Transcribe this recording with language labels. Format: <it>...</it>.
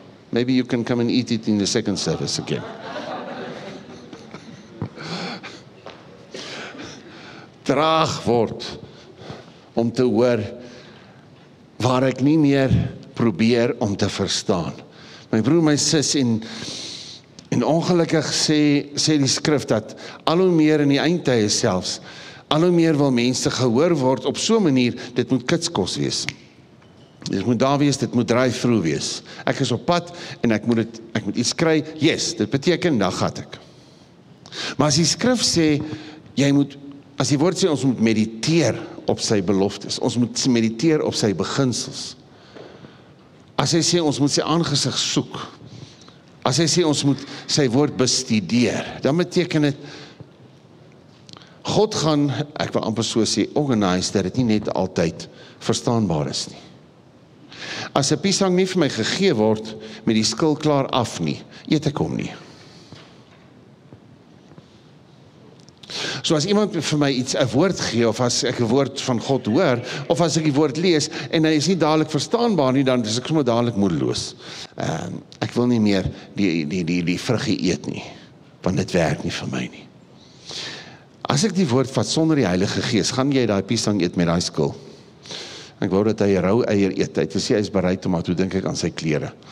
<en>Maybe you can come and eat it in the second service again.</en> <af>Traag word om te hoor waar ek nie meer probeer om te verstaan. My broer, my sis, en ongelukkig sê die skrif dat al hoe meer in die eindtye selfs, al hoe meer wil mense gehoor word op so'n manier, dit moet kitskos wees. Dit moet daar wees, dit moet drive-through wees. Ek is op pad en ek moet iets kry, yes, dit beteken, daar gaat ek. Maar as die skrif sê, as die woord sê, ons moet mediteer op sy beloftes, ons moet mediteer op sy beginsels, as hy sê, ons moet sy aangesig soek, as hy sê, ons moet sy woord bestudeer, dan beteken het, God gaan, ek wil amper so sê, organise, dat het nie net altyd verstaanbaar is nie. As een piesang nie vir my gegee word, met die skil klaar af nie, eet ek hom nie. So as iemand vir my iets, een woord gee, of as ek een woord van God hoor, of as ek die woord lees, en hy is nie dadelijk verstaanbaar nie, dan is ek sommer dadelijk moedeloos. Ek wil nie meer die vruggie eet nie, want dit werk nie vir my nie. As ek die woord vat sonder die Heilige Gees, gaan jy die piesang eet met die skil? Ek wou dat hy rou eier eet, hy sê hy is bereid om, maar toe dink ek aan sy klere.</af>